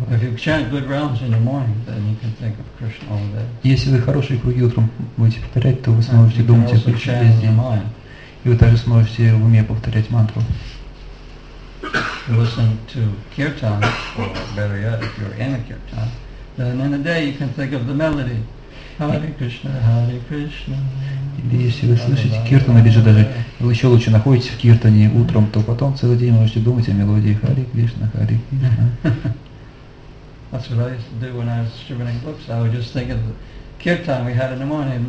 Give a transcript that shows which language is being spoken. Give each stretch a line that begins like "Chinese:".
English: If you chant good rounds in the morning, then you can think of Krishna all day.
Russian: Если вы хорошие круги утром будете повторять, то вы сможете думать о Кришне весь день. И вы также сможете в уме повторять мантру.
English: Listen to kirtan, or better yet, if you're in a kirtan, then in a day you can think of the melody. Hare Krishna, Hare Krishna.
Russian: Или если вы слышите киртан, или же даже вы еще лучше находитесь в киртане утром, то потом целый день можете думать о мелодии Хари Кришна, Хари Кришна.
English: That's what I used to do when I was distributing books. I would just think of the kirtan we had in the morning.